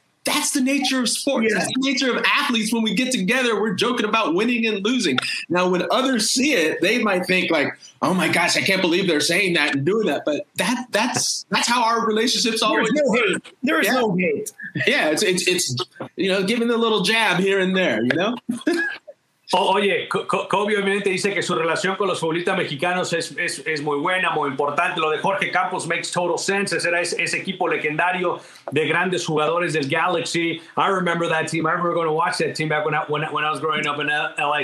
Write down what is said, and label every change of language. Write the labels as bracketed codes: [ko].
[en] That's the nature of sports. Yeah. That's the nature of athletes. When we get together, we're joking about winning and losing. Now, when others see it, they might think like, oh my gosh, I can't believe they're saying that and doing that. But that's how our relationships always work. There is no hate. There is no hate. Yeah, it's you know, giving a little jab here and there, you know? [es] Oye, Kobe obviamente dice que su relación con los futbolistas mexicanos es muy buena, muy importante. Lo de Jorge Campos makes total sense. Era ese equipo legendario de grandes jugadores del Galaxy. [en] I remember that team. I remember going to watch that team back when I was growing up in L.A.